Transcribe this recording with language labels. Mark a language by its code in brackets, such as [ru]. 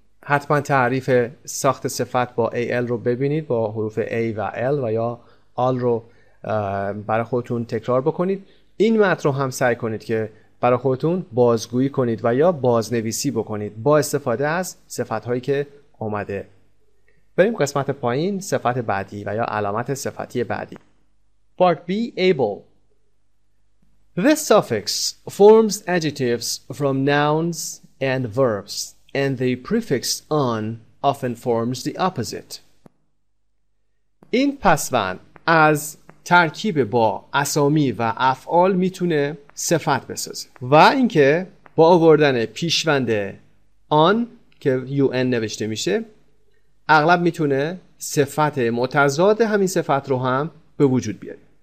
[fa] حتما تعریف ساخت صفت با AL رو ببینید، با حروف A و L و یا AL رو برای خودتون تکرار بکنید. این متن رو هم سعی کنید که برای خودتون بازگویی کنید و یا بازنویسی بکنید با استفاده از صفت هایی که اومده. بریم قسمت پایین، صفت بعدی و یا علامت صفتی بعدی. [en] Part B, able. This suffix forms adjectives from nouns and verbs, and the prefix on often forms the opposite. [fa] این پسوند از ترکیب با اسامی و افعال میتونه صفت بسازه و اینکه با آوردن پیشوند on که un نوشته میشه اغلب میتونه صفت متضاد همین صفت رو هم به وجود بیاره.